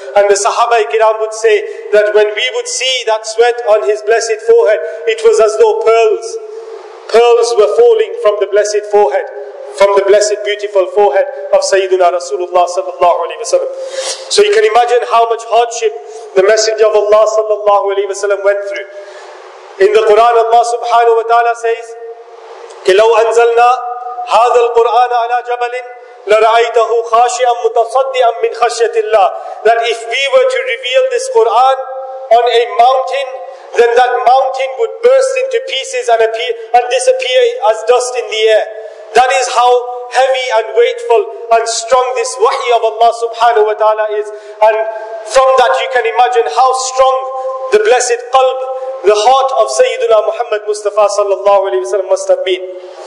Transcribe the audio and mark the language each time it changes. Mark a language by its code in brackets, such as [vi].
[en] And the Sahaba ikram would say that when we would see that sweat on his blessed forehead, it was as though pearls were falling from the blessed forehead, from the blessed beautiful forehead of Sayyidina Rasulullah sallallahu alayhi wa sallam. So you can imagine how much hardship the Messenger of Allah sallallahu alayhi wa sallam went through. In the Quran, Allah subhanahu wa ta'ala says, [ar] لو أنزلنا هذا القرآن على جبل لرأيته خاشعا متصدعا من خشية الله. [en] That if we were to reveal this Quran on a mountain, then that mountain would burst into pieces and appear and disappear as dust in the air. That is how heavy and weightful and strong this wahi of Allah subhanahu wa ta'ala is. And from that you can imagine how strong the blessed qalb, the heart of Sayyidina Muhammad Mustafa sallallahu alayhi wa sallam must have been.